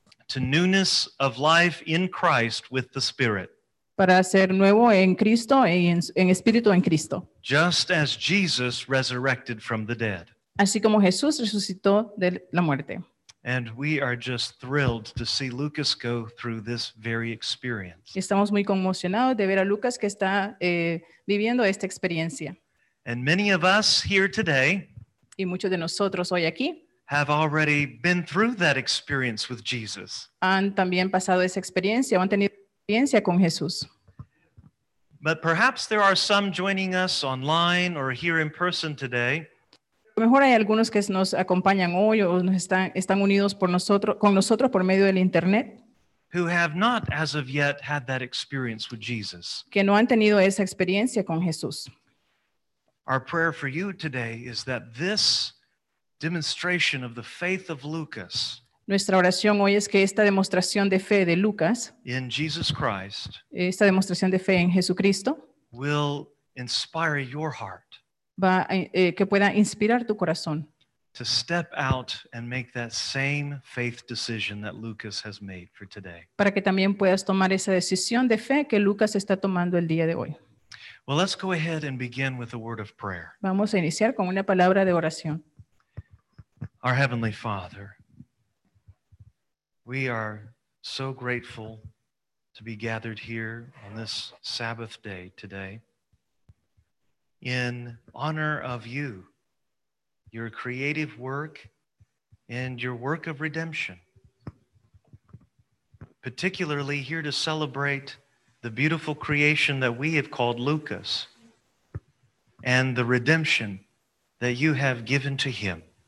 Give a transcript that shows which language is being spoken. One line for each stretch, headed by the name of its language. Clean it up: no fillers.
English: To newness of life in Christ with the Spirit.
Spanish: Para ser nuevo en Cristo y en espíritu en Cristo.
English: Just as Jesus resurrected from the dead.
Spanish: Así como Jesús resucitó de la muerte.
English: And we are just thrilled to see Lucas go through this very experience.
Spanish: Estamos muy conmocionados de ver a Lucas que está viviendo esta experiencia.
English: And many of us here today.
Spanish: Y muchos de nosotros hoy aquí.
English: Have already been through that experience with Jesus.
Spanish: Han también pasado esa experiencia, han tenido experiencia con Jesús.
English: But perhaps there are some joining us online or here in person today.
Spanish: Mejor hay algunos que nos acompañan hoy o nos están unidos por nosotros con nosotros por medio del internet.
English: Who have not as of yet had that experience with Jesus.
Spanish: Que no han tenido esa experiencia con Jesús.
English: Our prayer for you today is that this demonstration of the faith of Lucas.
Spanish: Nuestra oración hoy es que esta demostración de fe de Lucas,
English: in Jesus Christ,
Spanish: esta demostración de fe en Jesucristo,
English: will inspire your heart,
Spanish: va a, que pueda inspirar tu corazón,
English: to step out and make that same faith decision that Lucas has made for today.
Spanish: Para que también puedas tomar esa decisión de fe que Lucas está tomando el día de hoy.
English: Well, let's go ahead and begin with a word of prayer.
Spanish: Vamos a iniciar con una palabra de oración.
English: Our Heavenly Father, we are so grateful to be gathered here on this Sabbath day today in honor of you, your creative work, and your work of redemption, particularly here to celebrate the beautiful creation that we have called Lucas and the redemption that you have given to him.